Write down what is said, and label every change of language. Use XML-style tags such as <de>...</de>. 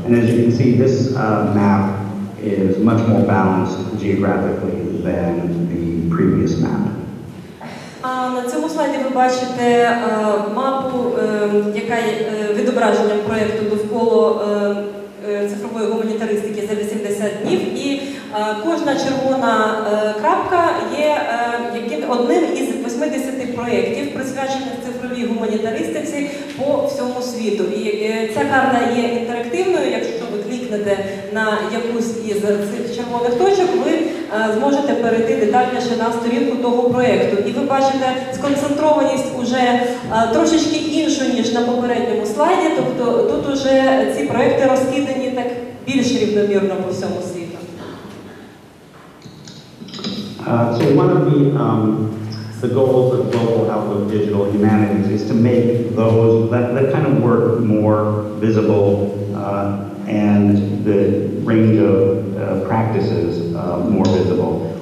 <en>And as you can see, this map is much more balanced geographically than the previous map.</en> <uk>На цьому слайді ви бачите мапу, яка є відображенням проєкту довкола цифрової гуманітаристики за 80 днів. І кожна червона крапка є одним із 80 проєктів, присвячених цифровій гуманітаристиці по всьому світу. І ця карта є інтерактивною. Якщо ви клікнете на якусь із цих червоних точок, ви зможете перейти детальніше на сторінку того проєкту. І ви бачите сконцентрованість уже трошечки іншу, ніж на попередньому слайді. Тобто тут уже ці проєкти розкидані так більш рівномірно по всьому світу.</uk> <en>So one of the goals of Global Outlook Digital Humanities is to make those that kind of work more visible and the range of practices more visible.</en>